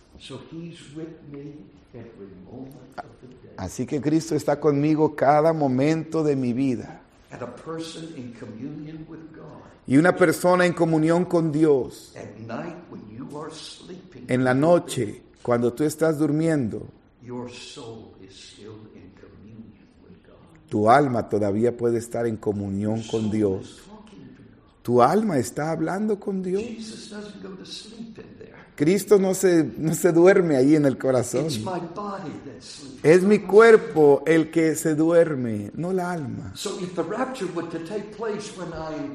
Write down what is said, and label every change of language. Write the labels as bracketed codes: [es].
[en] So he's with me every moment of the day. [es] Así que Cristo está conmigo cada momento de mi vida. [en] And a person in communion with God. [es] Y una persona en comunión con Dios. [en] At night when you are sleeping, [es] en la noche, cuando tú estás durmiendo, [en] your soul is still in communion with God. [es] Tu alma todavía puede estar en comunión con Dios. Tu alma está hablando con Dios. [en] Jesus doesn't go to sleep in there. [es] Cristo no se duerme ahí en el corazón. [en] It's my body that sleeps. [es] Es mi cuerpo el que se duerme, no la alma. [en] So if the rapture were to take place when I